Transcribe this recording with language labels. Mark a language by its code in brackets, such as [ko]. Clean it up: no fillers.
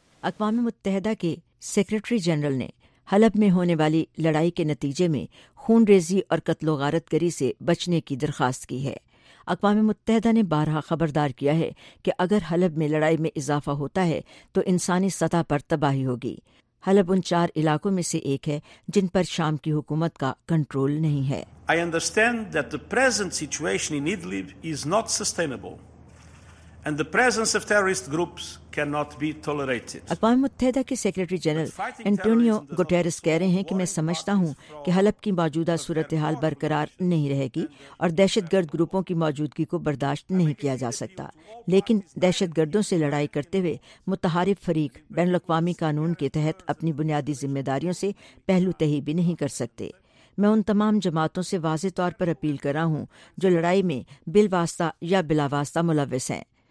[ur] اقوام متحدہ کے سیکرٹری جنرل نے حلب میں ہونے والی لڑائی کے نتیجے میں خون ریزی اور قتل و غارت گری سے بچنے کی درخواست کی ہے۔ اقوام متحدہ نے بارہا خبردار کیا ہے کہ اگر حلب میں لڑائی میں اضافہ ہوتا ہے تو انسانی سطح پر تباہی ہوگی۔ حلب ان چار علاقوں میں سے ایک ہے جن پر شام کی حکومت کا کنٹرول نہیں ہے۔ [en] I understand that the present situation in Idlib is not sustainable and the presence of terrorist groups cannot be tolerated۔ [ur] اقوام متحدہ کے سیکرٹری جنرل اینٹونیو گوٹیرس کہہ رہے ہیں کہ میں سمجھتا ہوں کہ حلب کی موجودہ صورتحال برقرار نہیں رہے گی اور دہشت گرد گروپوں کی موجودگی کو برداشت نہیں کیا جا سکتا، لیکن دہشت گردوں سے لڑائی کرتے ہوئے متحارف فریق بین الاقوامی قانون کے تحت اپنی بنیادی ذمہ داریوں سے پہلو تہی بھی نہیں کر سکتے۔ میں ان تمام جماعتوں سے واضح طور پر اپیل کر رہا ہوں جو لڑائی میں بالواسطہ یا بلا واسطہ ملوث ہیں،